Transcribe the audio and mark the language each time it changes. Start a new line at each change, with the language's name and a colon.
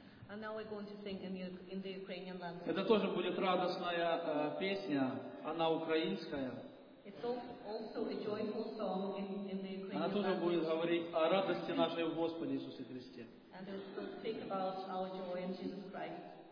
English: And now we're going to sing in the Ukrainian language.
Russian: Это тоже будет радостная песня, она украинская.
English: It's also a joyful song in the Ukrainian.
Russian: Она тоже будет говорить о радости нашей в Господе Иисусе Христе.
English: And it will speak about our joy in Jesus Christ.